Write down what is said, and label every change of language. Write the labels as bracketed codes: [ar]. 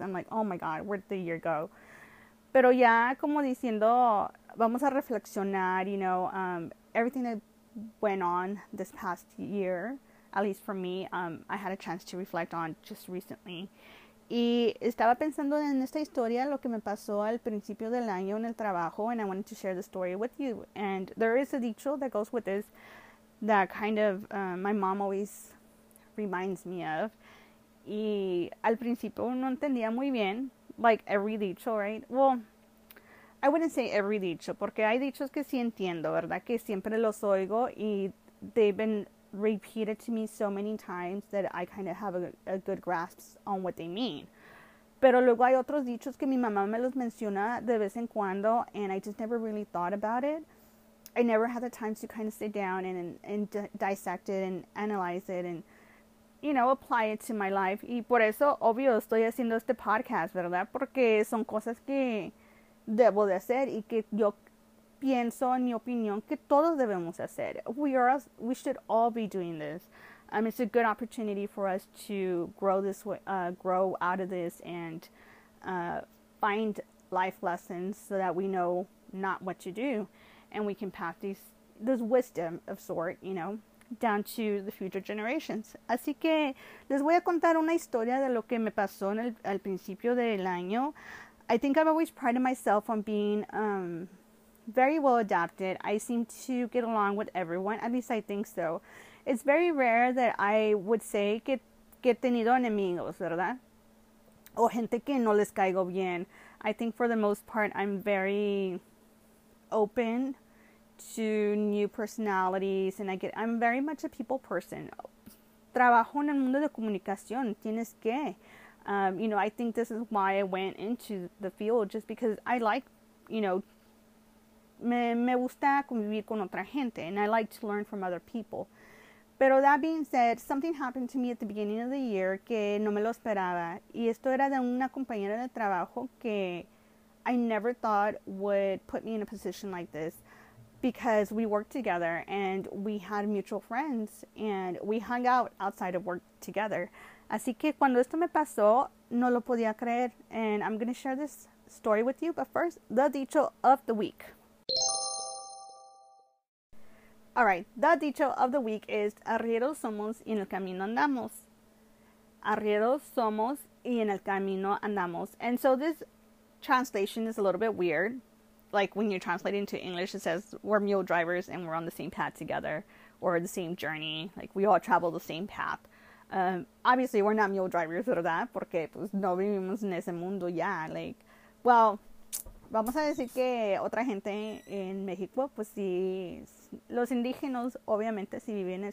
[en] I'm like, oh my God, where did the year go? [es] Pero ya, como diciendo, vamos a reflexionar, [en] you know, everything that went on this past year, at least for me, I had a chance to reflect on just recently. [es] Y estaba pensando en esta historia, lo que me pasó al principio del año en el trabajo, [en] and I wanted to share the story with you. And there is a dicho that goes with this that kind of my mom always reminds me of. [es] Y al principio no entendía muy bien, [en] like every dicho, right? Well, I wouldn't say every dicho, [es] porque hay dichos que sí entiendo, ¿verdad? Que siempre los oigo y [en] they've been repeated to me so many times that I kind of have a good grasp on what they mean. [es] Pero luego hay otros dichos que mi mamá me los menciona de vez en cuando, [en] and I just never really thought about it. I never had the time to kind of sit down and dissect it and analyze it and, you know, apply it to my life. [es] Y por eso, obvio, estoy haciendo este podcast, ¿verdad? Porque son cosas que debo de hacer y que yo pienso, en mi opinión, que todos debemos hacer. [en] We should all be doing this. It's a good opportunity for us to grow this way, grow out of this, and find life lessons so that we know not what to do, and we can pass this wisdom of sort, you know, down to the future generations. [es] Así que les voy a contar una historia de lo que me pasó en al principio del año. [en] I think I've always prided myself on being very well adapted. I seem to get along with everyone, at least I think so. It's very rare that I would say [es] que he tenido enemigos, ¿verdad? O gente que no les caigo bien. [en] I think for the most part, I'm very open to new personalities, and I'm very much a people person. [es] Trabajo en el mundo de comunicación, tienes que. [en] You know, I think this is why I went into the field, just because I like, you know, [es] me gusta convivir con otra gente, [en] and I like to learn from other people. Pero that being said, something happened to me at the beginning of the year [es] que no me lo esperaba, y esto era de una compañera de trabajo que [en] I never thought would put me in a position like this, because we worked together and we had mutual friends and we hung out outside of work together. [es] Así que cuando esto me pasó, no lo podía creer, [en] and I'm going to share this story with you, but first, the dicho of the week. All right, the dicho of the week is [es] arrieros somos y en el camino andamos. Arrieros somos y en el camino andamos. [en] And so this translation is a little bit weird. Like when you're translating to English, it says we're mule drivers and we're on the same path together or the same journey. Like we all travel the same path. Obviously, we're not mule drivers, ¿verdad? [es] Porque pues no vivimos en ese mundo ya. Like, well, vamos a decir que otra gente en México, pues sí, los indígenas obviamente sí viven.